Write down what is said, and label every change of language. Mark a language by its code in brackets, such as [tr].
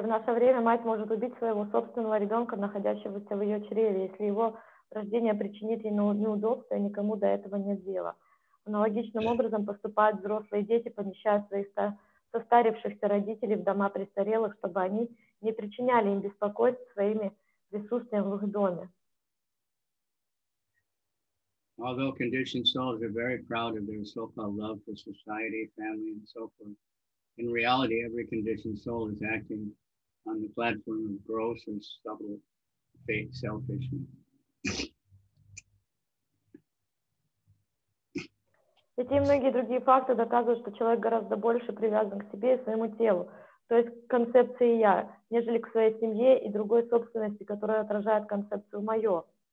[ru] В наше время мать может убить своего собственного ребенка, находящегося в ее чреве, если его рождение причинит ей неудобства, и никому до этого нет дела. Аналогичным образом поступают взрослые дети, помещая своих состарившихся родителей в дома престарелых, чтобы они не причиняли им беспокойств своими присутствием в их доме. [en] Although conditioned souls are very proud of their so-called love for society, family, and so forth, in reality, every conditioned soul is acting on the platform of gross and subtle fake selfishness. [ru] Эти и многие другие факты доказывают, что человек гораздо больше привязан к себе и своему телу, то есть к концепции «я», нежели к своей семье и другой собственности, которая отражает концепцию «моё».